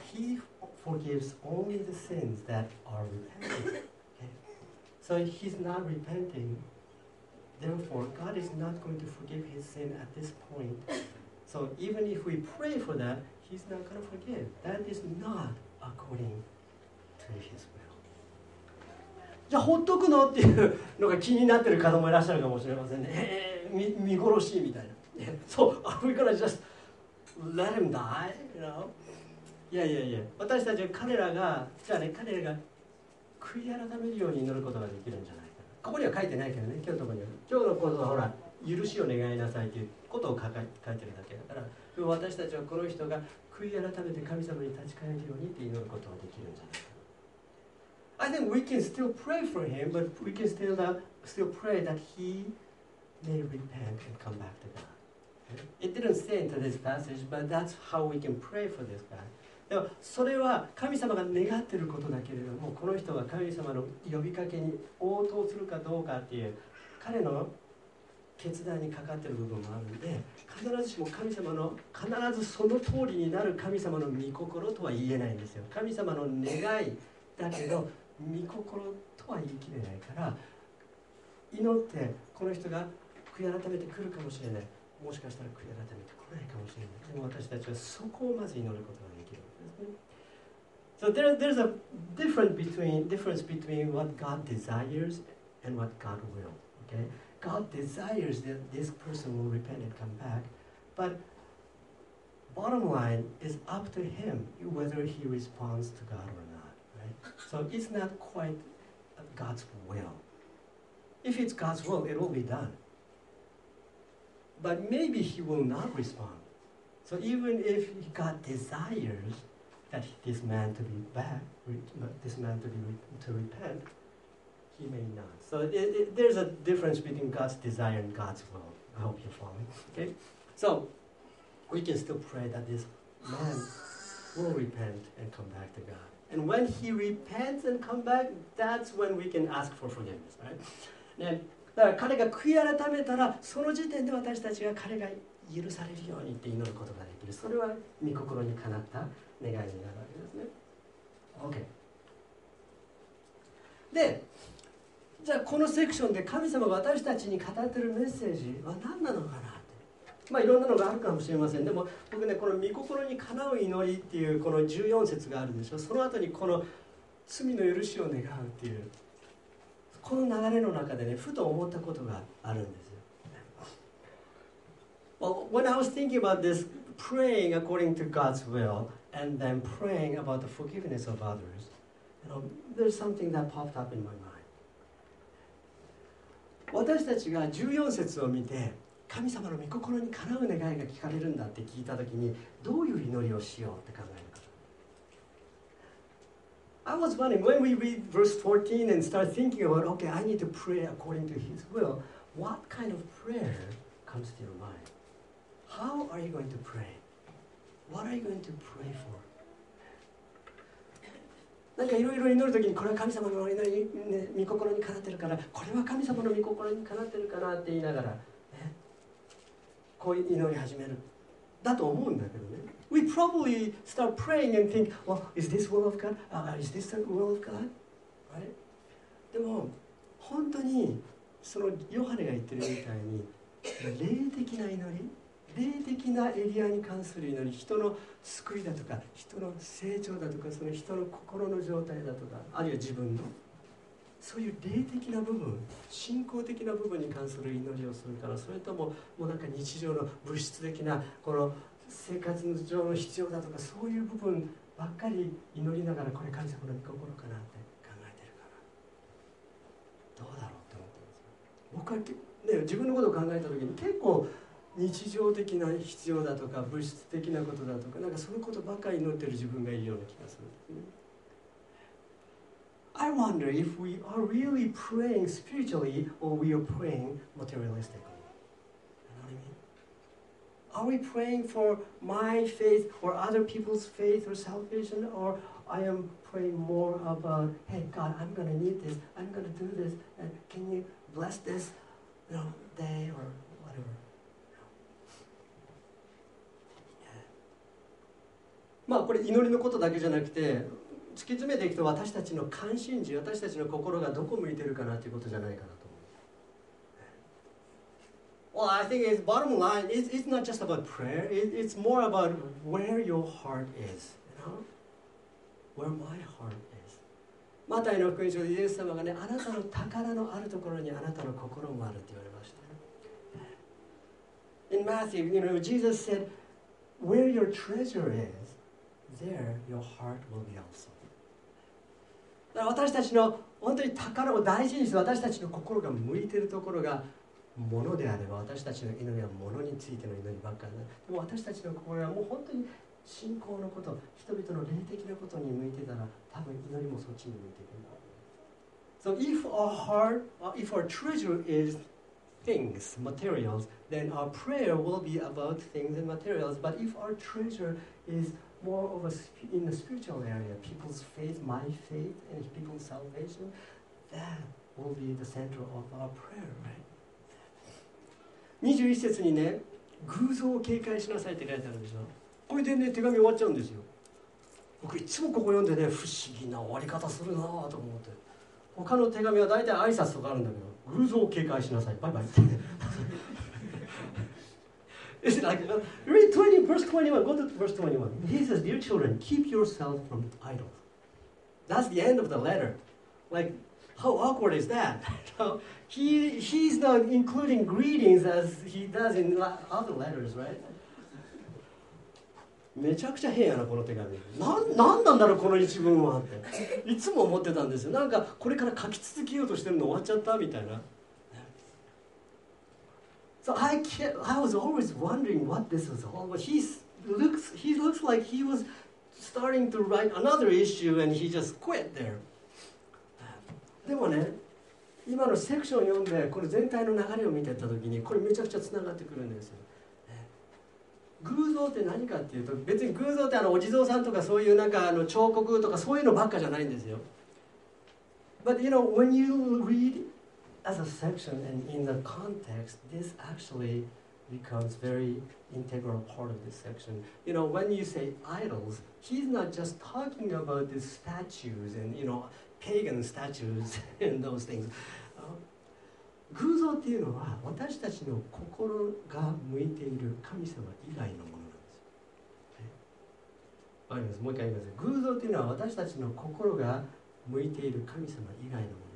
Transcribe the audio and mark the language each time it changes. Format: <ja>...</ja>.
<en>He forgives only the sins that are repented. Okay? So he's not repenting. Therefore, God is not going to forgive his sin at this point. So even if we pray for that, he's not going to forgive. That is not according to his will.</en> <ja>じゃあほっとくのっていうのが気になってる方もいらっしゃるかもしれませんね。見殺しみたいな。</ja> <en>So are we gonna just let him die? You know? Yeah, yeah, yeah.</en> <ja>私たちは彼らが、じゃあね、彼らが悔い改めるように祈ることができるんじゃないかな。ここには書いてないけどね、今日のところには。今日のことはほら、許しを願いなさいということを書いてるだけだから、私たちはこの人が悔い改めて神様に立ち返るようにって祈ることができるんじゃないかな。</ja> <en>I think we can still pray for him, but we can still pray that he may repent and come back to God. It didn't say into this passage, but that's how we can pray for this guy.</en> <ja>でもそれは神様が願っていることだけれども、この人が神様の呼びかけに応答するかどうかっていう彼の決断にかかっている部分もあるので、必ずしも神様の必ずその通りになる神様の御心とは言えないんですよ。神様の願いだけど御心とは言い切れないから祈ってこの人が悔い改めてくるかもしれない、もしかしたら悔い改めてこないかもしれない、でも私たちはそこをまず祈ることができるんですね。</ja> <en>So there's a difference between what God desires and what God will、okay? God desires that this person will repent and come back, but bottom line is up to him whether he responds to God or notSo it's not quite God's will. If it's God's will, it will be done. But maybe he will not respond. So even if God desires that this man to be back, this man to repent, he may not. So there's a difference between God's desire and God's will. I hope you're following. Okay? So we can still pray that this man will repent and come back to God. And when he repents and come back, that's when we can ask for forgiveness, right?</en> <ja>ね、だから彼が悔い改めたら、その時点で私たちが彼が許されるようにって祈ることができる。それは御心にかなった願いになるわけですね。で、じゃあこのセクションで神様が私たちに語っているメッセージは何なのかな？まあ、いろんなのがあるかもしれません。でも僕ね、この御心にかなう祈りっていうこの14節があるでしょ。その後にこの罪の許しを願うっていうこの流れの中でね、ふと思ったことがあるんですよ。</ja> <en>Well, when I was thinking about this praying according to God's will and then praying about the forgiveness of others, you know, there's something that popped up in my mind.</en> <ja>私たちが14節を見て神様の御心にかなう願いが聞かれるんだって聞いたときに、どういう祈りをしようって考えるか。</ja> <en>I was wondering, when we read verse 14 and start thinking about, okay, I need to pray according to His will, what kind of prayer comes to your mind? How are you going to pray? What are you going to pray for?</en> <ja>なんかいろいろ祈るときに、これは神様の祈り、ね、御心にかなってるから、これは神様の御心にかなってるかなって言いながら、こう祈り始めるだと思うんだけどね。</ja> <en>We probably start praying and think, well, is this will of God? Is this the will of God? Right?</en> <ja>でも本当にそのヨハネが言ってるみたいに、霊的な祈り、霊的なエリアに関する祈り、人の救いだとか、人の成長だとか、その人の心の状態だとか、あるいは自分の。そういう霊的な部分、信仰的な部分に関する祈りをするから、それとももうなんか日常の物質的なこの生活上の必要だとか、そういう部分ばっかり祈りながら、これ神様の御心かなって考えてるかな。どうだろうって思ってます。僕は、ね、自分のことを考えた時に、結構日常的な必要だとか物質的なことだとか、なんかそういうことばっかり祈ってる自分がいるような気がするんですね。</ja> <en>I wonder if we are really praying spiritually or we are praying materialistically. You know what I mean? Are we praying for my faith or other people's faith or salvation, or I am praying more about, hey God, I'm gonna need this, I'm gonna do this, and can you bless this, you know, day or whatever?</en> <ja>まあこれ祈りのことだけじゃなくて、突き詰めていくと私たちの関心事、私たちの心がどこ向いてるかなということじゃないかなと思う。</ja> <en>Well, I think it's bottom line, it's not just about prayer, it's more about where your heart is, you know? Where my heart is.</en> <ja>マタイの福音書でイエス様がね、あなたの宝のあるところにあなたの心もあるって言われました。</ja> <en>In Matthew, you know, Jesus said, where your treasure is,There, your heart will be also.</en> <ja>だから私たちの本当に宝を大事にして私たちの心が向いているところがものであれば私たちの祈りはものについての祈りばっかりだ。でも私たちの心はもう本当に信仰のこと、人々の霊的なことに向いてたら多分祈りもそっちに向いていくんだ。</ja> <en>So if our heart, if our treasure is things, materials, then our prayer will be about things and materials. But if our treasure is more of a in the spiritual area, people's faith, my faith, and people's salvation, that will be the center of our prayer, right?</en> <ja>21節にね、偶像を警戒しなさいって書いてあるでしょ。これでね、手紙終わっちゃうんですよ。僕いつもここ読んでね、不思議な終わり方するなと思って。他の手紙は大体挨拶とかあるんだけど、偶像を警戒しなさい、バイバイって。</ja> <en>Read 20, verse 21. Go to verse 21. He says, Dear children, keep yourself from idols. That's the end of the letter. Like, how awkward is that? He's not including greetings as he does in other letters, right?</en> <ja>めちゃくちゃ変やな、この手紙。なんなんだろう、この一文はっていつも思ってたんですよ。なんか、これから書き続けようとしてるの終わっちゃったみたいな。</ja> <en>So I was always wondering what this was all about. He looks like he was starting to write another issue and he just quit there.</en> <ja>でもね、今のセクションを読んでこれ全体の流れを見てた時にこれめちゃくちゃつながってくるんですよ。偶像って何かっていうと、別に偶像ってあのお地蔵さんとかそういうなんかあの彫刻とかそういうのばっかじゃないんですよ。</ja> <en>But you know, when you readAs a section and in the context, this actually becomes very integral part of this section. You know, when you say idols, he's not just talking about the statues and, you know, pagan statues and those things.</en> <ja>偶像っていうのは私たちの心が向いている神様以外のものなんです。わかります。もう一回言います。偶像っていうのは私たちの心が向いている神様以外のもの。</ja>